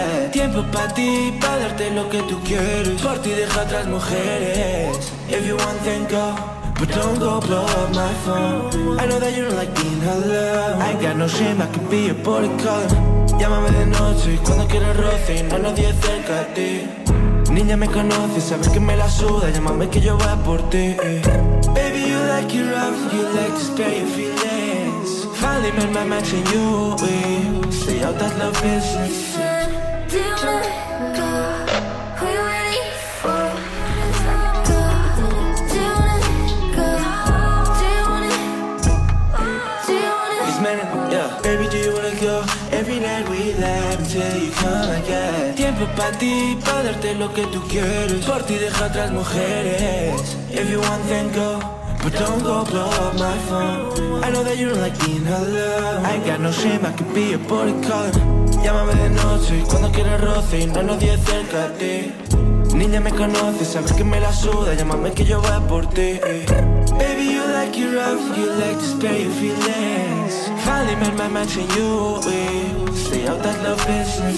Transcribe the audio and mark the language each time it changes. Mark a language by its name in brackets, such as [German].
[Spanish] Tiempo pa' ti, pa' darte lo que tú quieres. Por ti deja atrás mujeres. [English] If you want then go, but don't go blow up my phone. I know that you don't like being alone. I got no shame, I could be your body color. [Spanish] Llámame de noche, cuando quieras roce. Y no hay nadie cerca de ti. Niña me conoce, sabes que me la suda. Llámame que yo voy por ti. [English] Baby, you like it rough, you like to spare your feelings. Finally made my match in you, we stay out that love business. Do you wanna go? Who you waiting for? Let's go. Do you wanna go? Do you wanna? Do you wanna? It's Menend, yeah. Baby, do you wanna go? Every night we laugh until you come again. [Spanish] Tiempo pa' ti, pa' darte lo que tú quieres. Por ti deja atrás mujeres. [English] If you want, then go. But don't go blow up my phone. I know that you don't like being alone. I got no shame, I could be your body color. [Spanish] Llámame de noche, cuando quieras roce. Y no hay nadie cerca de ti. Niña me conoce, sabes que me la suda. Llámame que yo voy por ti. [English] Baby, you like it rough, you like to spare your feelings. Finally made my match in you, we stay out that love business.